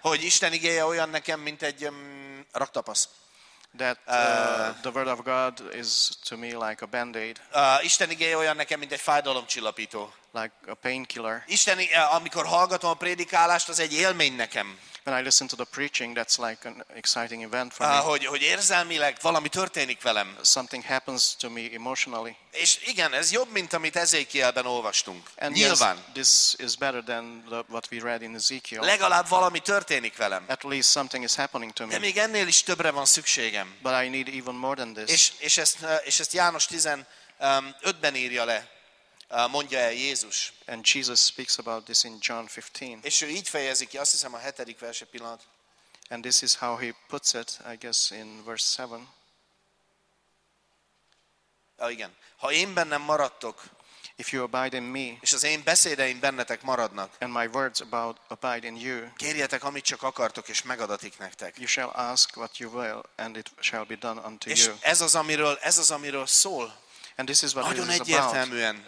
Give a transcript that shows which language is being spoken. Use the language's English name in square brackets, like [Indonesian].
[Hungarian] Hogy Isten igéje olyan nekem, mint egy raktapasz. [English] That the word of God is to me like a band-aid. [Hungarian] Isten igéje olyan nekem, mint egy fájdalomcsillapító. [English] Like a painkiller. [Hungarian] Isten, amikor hallgatom a prédikálást, az egy élmény nekem. [English] When I listen to the preaching, that's like an exciting event for me. [Hungarian] Hogy érzelmileg valami történik velem. [English] Something happens to me emotionally. [Hungarian] És igen, ez jobb, mint amit Ezékielben olvastunk. [English] And [Hungarian] nyilván. [English] Yes, this is better than what we read in Ezekiel. [Hungarian] Legalább valami történik velem. [English] At least something is happening to me. [Hungarian] De még ennél is többre van szükségem. [English] But I need even more than this. [Hungarian] És ezt János 15-ben írja le. Mondja el Jézus. [English] And Jesus speaks about this in John 15. [Hungarian] És ő így fejezi ki, azt hiszem a 7. verse pillanat. [English] And this is how he puts it, I guess, in verse 7. [Hungarian] Igen. Ha én bennem maradtok, [English] if you abide in me, [Hungarian] és az én beszédeim bennetek maradnak, [English] and my words about abide in you, [Hungarian] kérjetek, amit csak akartok, és megadatik nektek. [English] You shall ask what you will, and it shall be done unto [Hungarian] és [English] you. [Hungarian] És ez az, amiről szól. [English] And this is what [Hungarian] nagyon [English] this is [Hungarian] egyértelműen,